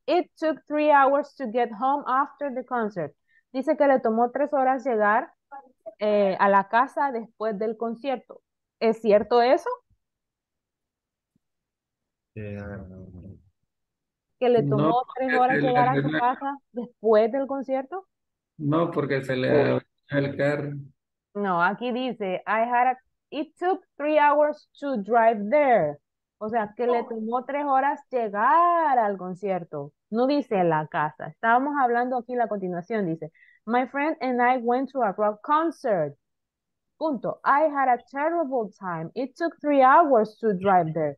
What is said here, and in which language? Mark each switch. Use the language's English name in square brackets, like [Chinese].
[English] It took 3 hours to get home after the concert. [Spanish] Dice que le tomó 3 horas llegar a la casa después del concierto. ¿Es cierto eso? ¿Que le tomó no, 3 horas llegar a su casa después del concierto? No, porque se le dañó el carro. No, aquí dice, [English] it took 3 hours to drive there. [Spanish] O sea, que le tomó 3 horas llegar al concierto. No dice la casa. Estábamos hablando aquí la continuación, dice, [English] my friend and I went to a rock concert. [Spanish] Punto. [English] I had a terrible time. It took 3 hours to drive there.